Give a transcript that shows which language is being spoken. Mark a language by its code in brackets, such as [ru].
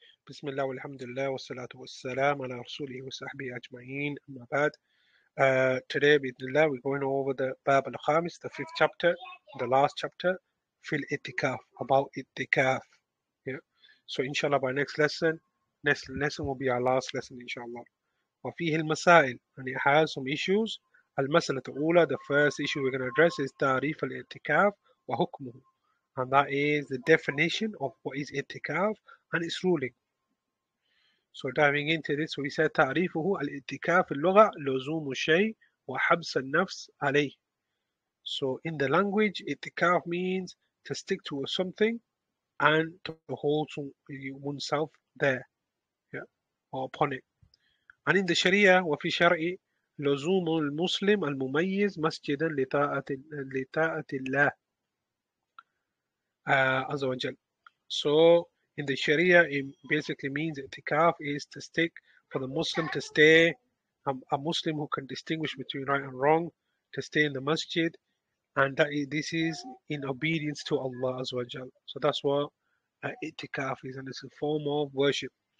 [ar] بسم الله والحمد لله والصلاة والسلام على رسوله وصحبه أجمعين أما بعد today بإذن الله [en] we're going over the [ar] باب الخامس [en] the fifth chapter the last chapter [ar] في الاتكاف about اتكاف yeah. [en] So inshallah by next lesson will be our last lesson inshallah [ar] وفيه المسائل [en] and it has some issues [ar] المسألة الأولى [en] the first issue we're going to address is [ar] تعريف الاتكاف وحكمه [en] and that is the definition of what is اتكاف and its ruling. So diving into this, we said [ar] تعريفه الاتكاف اللغة لزوم الشيء وحبس النفس عليه. [en] So in the language, اتكاف means to stick to something and to hold oneself there, yeah, or upon it. And in the Sharia, [ar] وفي شرع لزوم المسلم المميز مسجدا لطاعة الله عز وجل. [en] So in the Sharia, it basically means itikaf is to stick for the Muslim to stay, a Muslim who can distinguish between right and wrong, to stay in the masjid, and that is, this is in obedience to Allah Azza wa Jal. So that's what itikaf is, and it's a form of worship.